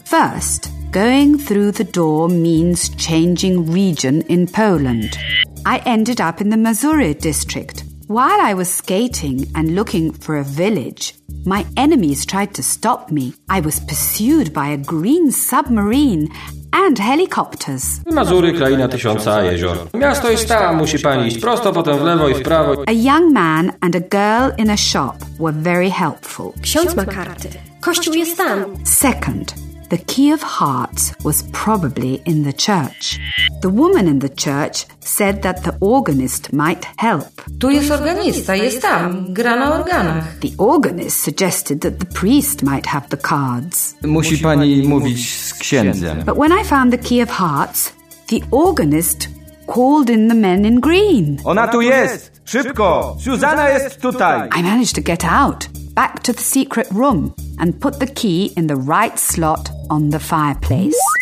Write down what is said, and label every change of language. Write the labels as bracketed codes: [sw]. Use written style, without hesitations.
[en] First, going through the door means changing region in Poland. I ended up in the Mazury district. While I was skating and looking for a village, my enemies tried to stop me. I was pursued by a green submarine and helicopters. [pl] Mazury, kraina tysiąca jezior. Miasto jest tam, musi pani iść prosto, potem w lewo i w prawo. [en] A young man and a girl in a shop were very helpful. [pl] Ksiądz ma karty. Kościół jest tam. [en] Second, the key of hearts was probably in the church. The woman in the church said that the organist might help. [pl] Tu jest organista, jest tam, gra na organach. [en] The organist suggested that the priest might have the cards. [pl] Musi pani mówić z księdzem. [en] But when I found the key of hearts, the organist called in the men in green. [pl] Ona tu jest! Szybko! Suzanna jest tutaj! [en] I managed to get out, back to the secret room, and put the key in the right slot on the fireplace.